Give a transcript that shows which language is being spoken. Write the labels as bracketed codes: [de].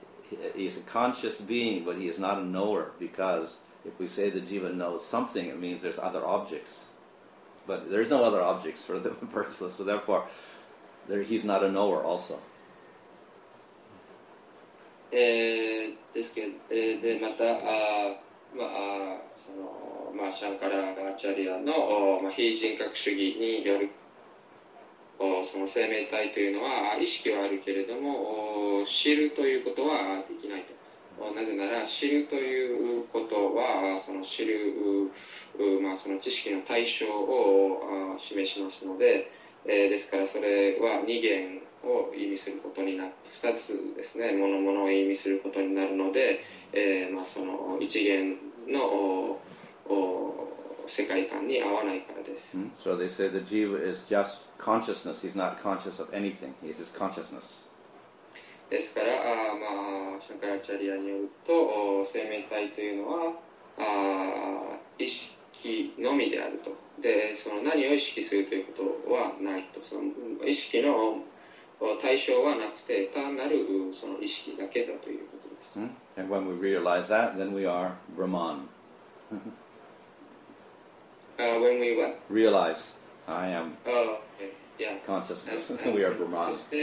[en] He is a conscious being, but he is not a knower because if we say the jiva knows something, it means there's other objects. But there is no other objects for the impersonalist. So therefore, there, he's not a knower also. [ja] ですけど、でまた、まあ、そのまあ、シャンカラーガーチャリアの、まあ、非人格主義によるその生命体というのは意識はあるけれども知るということはできないと。なぜなら知るということはその知る、まあ、その知識の対象を示しますので、ですからそれは二元を意味することになって、二つですね、物々を意味することになるので、まあ、その一元の世界観に合わないからです。 Mm-hmm. [en] So they say the jiva is just consciousness. He's not conscious of anything. He's just consciousness. [ja] ですから、まあ、シャンカラチャリアによると生命体というのは意識のみであると。で、その何を意識するということはないと。その意識の対象はなくて単なるその意識だけだということです。 Hmm? [en] And when we realize that, then we are Brahman. when we what? Realize I am consciousness, then we are Brahman.